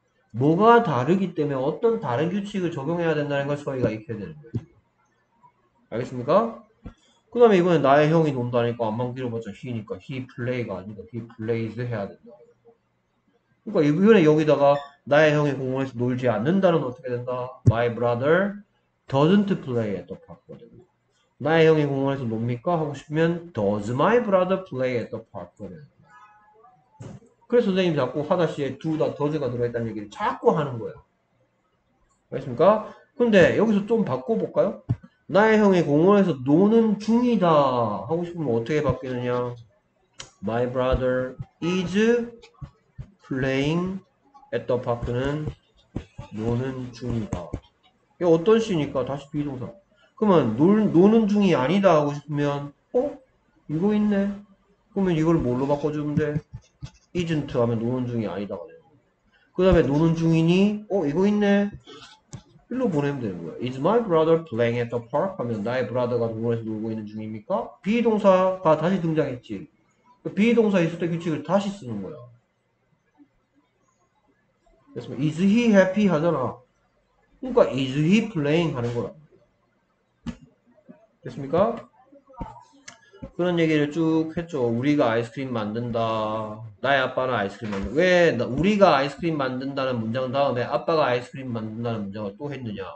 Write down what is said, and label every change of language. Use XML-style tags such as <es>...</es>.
<ko>뭐가 다르기 때문에 어떤 다른 규칙을 적용해야 된다는 걸 저희가 익혀야 되는 거예요. 알겠습니까? 그 다음에 이번에 나의 형이 논다니까 암만 길어봤자 he니까</ko> <en>he play</en> <ko>가 아니라</ko> <en>he plays</en> <ko>해야 된다. 그러니까 이번에 여기다가 나의 형이 공원에서 놀지 않는다는 어떻게 된다?</ko> <en>My brother doesn't play at the park.</en> <ko>나의 형이 공원에서 놉니까? 하고 싶으면</ko> <en>does my brother play at the park?</en> <ko>그래서 선생님이 자꾸 하다시피 둘다 does가 들어있다는 얘기를 자꾸 하는 거예요. 알겠습니까? 근데 여기서 좀 바꿔볼까요? 나의 형이 공원에서 노는 중이다 하고 싶으면 어떻게 바뀌느냐?</ko> <en>My brother is playing at the park</en> <ko>는 노는 중이다. 이게 어떤 시니까 다시 비동사. 그러면 노는 중이 아니다 하고 싶으면 어? 이거 있네. 그러면 이걸 뭘로 바꿔주면 돼? isn't 하면 노는 중이 아니다가 되는 거야. 그 다음에 노는 중이니? 어, 이거 있네. 일로 보내면 되는 거야.</ko> <en>Is my brother playing at the park?</en> <ko>하면 나의 브라더가 동물원에서 놀고 있는 중입니까? be 동사가 다시 등장했지. be 동사 있을 때 규칙을 다시 쓰는 거야. 그래서</ko> <en>is he happy</en> <ko>하잖아. 그러니까</ko> <en>is he playing</en> <ko>하는 거라. 됐습니까? 그런 얘기를 쭉 했죠. 우리가 아이스크림 만든다. 나의 아빠는 아이스크림 만든다. 왜 우리가 아이스크림 만든다는 문장 다음에 아빠가 아이스크림 만든다는 문장을 또 했느냐?</ko>